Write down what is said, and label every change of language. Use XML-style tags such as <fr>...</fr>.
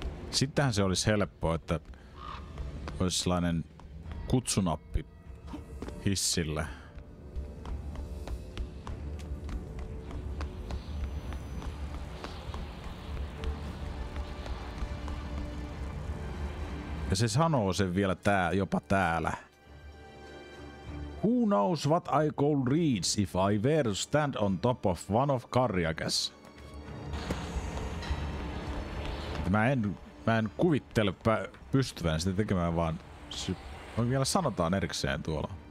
<fi>Sittenhän se olisi helppoa, että olisi sellainen kutsunappi hissille. Ja se sanoo sen vielä jopa täällä.</fi> <en>Who knows what I could reach if I were to stand on top of one of Karjakas?</en> <fi>Mä en kuvittele pystyvän sitä tekemään, vaan on vielä sanotaan erikseen tuolla.</fi>